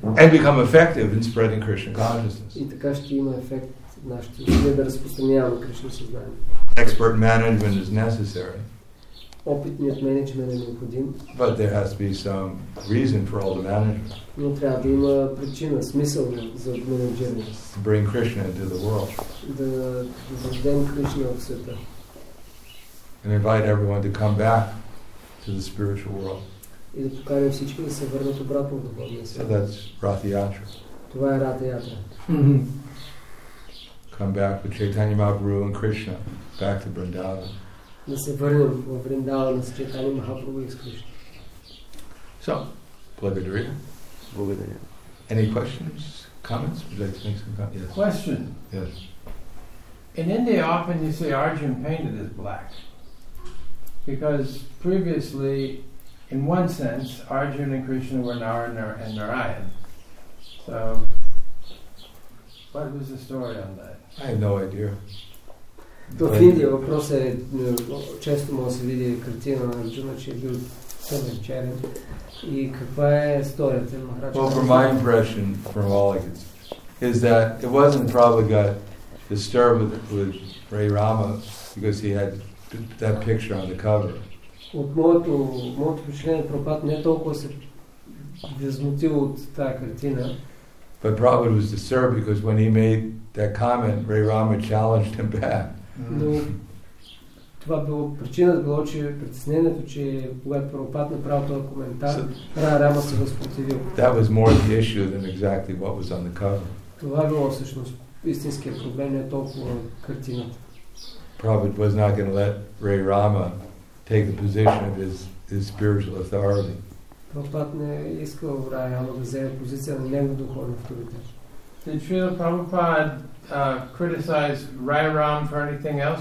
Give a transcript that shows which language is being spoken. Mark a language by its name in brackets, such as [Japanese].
[English] And become effective in spreading Krishna consciousness. [Bulgarian] И така ще има ефект нашето усилие да разпространяваме Кришна съзнание. [English] Expert management is necessary. [Bulgarian] Опитният менеджмент е необходим. [English] But there has to be some reason for all the management. [Bulgarian] Но трябва да има причина, смисъл за менеджерството. [English] Bring Krishna into the world. [Bulgarian] Да въведем Кришна в света. [English] And invite everyone to come back to the spiritual world. [Bulgarian] И да покарим всички да се върнат обратно в духовния свят. [English] So that's Ратха-ятра. [Bulgarian] Това е Ратха-ятра. [English] Come back with Chaitanya Mahaprabhu and Krishna back to Vrindavan. [Bulgarian] Да се върнем в Вриндавана с Чайтанья Махапрабху и с Кришна. So, благодаря. Благодаря. [English] Any questions, comments? Would you like to make some comments? Yes. Question. Yes. In India, often you say Arjun painted as black. Because previously, in one sense, Arjun and Krishna were Narayana and Narayan. So, What was the story on that? I have no idea. [Bulgarian] То в Индия въпрос е, често може да се види картина на Арджуна, че е бил тъмен черен. И каква е историята? [English] Well, from my impression, from all I can see, is that it wasn't probably got disturbed with Ray Rama because he had that picture on the cover. [Bulgarian] От моето впечатление, Прабхупад не толкова се възмутил от тая картина. [English] But Prabhupada was disturbed because when he made that comment, Ray Rama challenged him back. [Bulgarian] Но това било причината, било, че притеснението, че когато Прабхупад направил този коментар, Рама се възпротивил. [English] That was more the issue than exactly what was on the cover. [Bulgarian] Това било всъщност истинския проблем, не толкова картината. [English] Prabhupada was not going to let Ray Rama take the position of his spiritual authority. [Bulgarian] Прабхупад не искал Рай Рама да вземе позиция на негов духовен авторитет. [English] Did Srila Prabhupada criticize Rai Ram for anything else?